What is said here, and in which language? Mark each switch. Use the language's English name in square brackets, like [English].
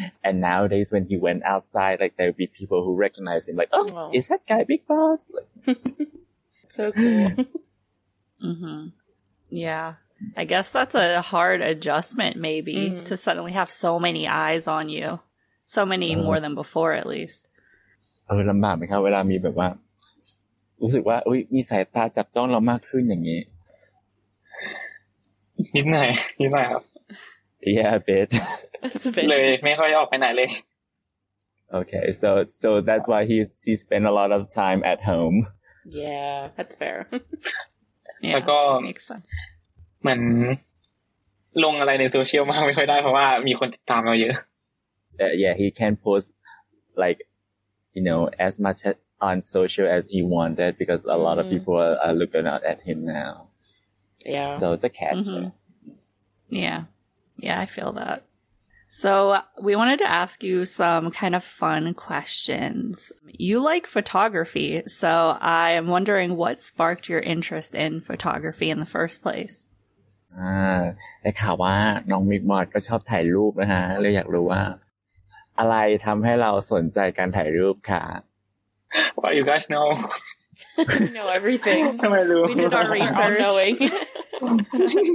[English] And nowadays when he went outside, like there would be people who recognize him, like, oh, wow. Is that guy Big Boss? Like, so cool. Mm-hmm. Yeah. I guess that's a hard adjustment, maybe, to suddenly have so many eyes on you. So many more than before, at least. [Thai] เออลำบากไหมครับเวลามีแบบว่ารู้สึกว่าอุ้ยมีสายตาจับจ้องเรามากขึ้นอย่างนี้นิดหน่อยนิดหน่อยครับ [English] yeah a bit [Thai] เลยไม่ค่อยออกไปไหนเลย [English] okay so that's why he spent a lot of time at home yeah that's fair yeah [Thai] แล้วก็ [English] makes sense [Thai] เหมือนลงอะไรในโซเชียลมากไม่ค่อยได้เพราะว่ามีคนติดตามเราเยอะ [English] yeah he can't post likeyou know, as much on social as he wanted because a lot of people are looking out at him now. Yeah. So it's a catch. Mm-hmm. Yeah. Yeah, I feel that. So we wanted to ask you some kind of fun questions. You like photography, so I am wondering what sparked your interest in photography in the first place? [Thai] ได้ข่าวว่าน้องมิกมอดก็ชอบถ่ายรูปนะฮะเลยอยากรู้ว่าอะไรทำให้เราสนใจการถ่ายรูปค่ะ [English] Why you guys know? know everything. [Thai] ทำไมรู้ [English] We did our research. [Thai] รู้